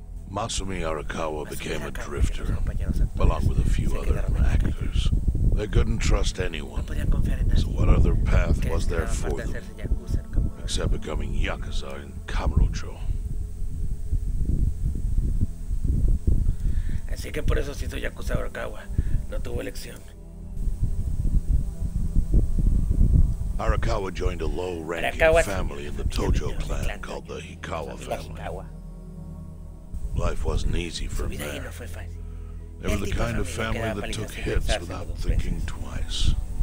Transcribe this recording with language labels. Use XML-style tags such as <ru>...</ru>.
<en>Masumi Arakawa became a drifter, along with a few other actors. They couldn't trust anyone, so what other path was there for them, except becoming Yakuza in Kamurocho?</en> <es>Así que por eso se hizo Yakuza Arakawa. No tuvo elección.</es> <en>Arakawa joined a low-ranking family in the Tojo clan called the Hikawa family. Life wasn't easy for him there. They were the kind of family that took hits without thinking twice.</en>